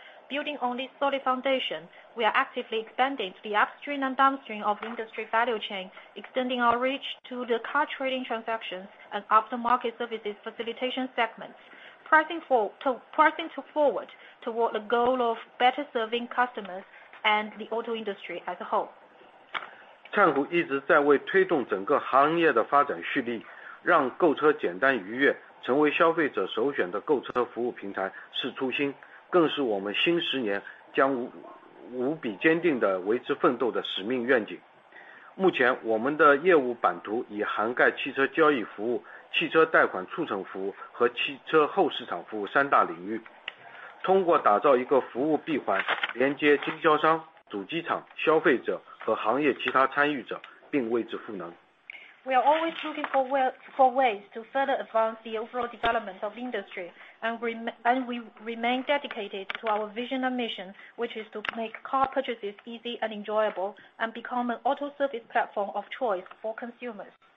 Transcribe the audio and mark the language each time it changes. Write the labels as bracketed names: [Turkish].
[English] Building on this solid foundation, we are actively expanding to the upstream and downstream of the industry value chain, extending our reach to the car trading transactions and aftermarket services facilitation segments, pricing forward toward the goal of better serving customers and the auto industry as a whole. [Chinese] 灿谷一直在为推动整个行业的发展蓄力，让购车简单愉悦，成为消费者首选的购车服务平台是初心，更是我们新十年将 无比坚定地为之奋斗的使命愿景。目前我们的业务版图已涵盖汽车交易服务、汽车贷款促成服务和汽车后市场服务三大领域。通过打造一个服务闭环，连接经销商、主机厂、消费者和行业其他参与者，并为之赋能。 [English] We are always looking for ways to further advance the overall development of industry, and we remain dedicated to our vision and mission, which is to make car purchases easy and enjoyable and become an auto service platform of choice for consumers.